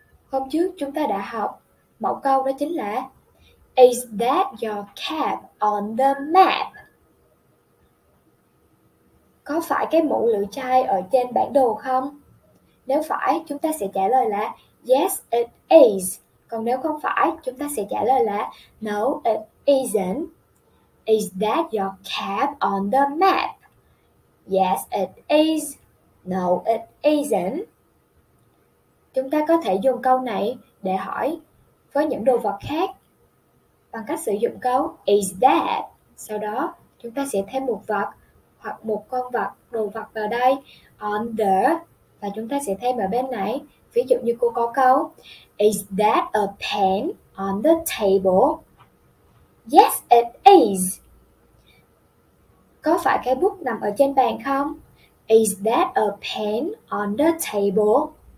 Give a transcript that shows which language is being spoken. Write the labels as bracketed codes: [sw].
[vi] Hôm trước chúng ta đã học mẫu câu đó chính là [en] Is that your cap on the map? [vi] Có phải cái mũ lưỡi chai ở trên bản đồ không? Nếu phải, chúng ta sẽ trả lời là [en] Yes, it is. [vi] Còn nếu không phải, chúng ta sẽ trả lời là [en] No, it isn't. Is that your cap on the map? Yes, it is. No, it isn't. [vi] Chúng ta có thể dùng câu này để hỏi với những đồ vật khác bằng cách sử dụng câu [en] Is that? [vi] Sau đó, chúng ta sẽ thêm một vật hoặc một con vật, đồ vật vào đây [en] on the, [vi] và chúng ta sẽ thêm ở bên này. Ví dụ như cô có câu [en] Is that a pen on the table? Yes, it is. [vi] Có phải cái bút nằm ở trên bàn không? [en] Is that a pen on the table?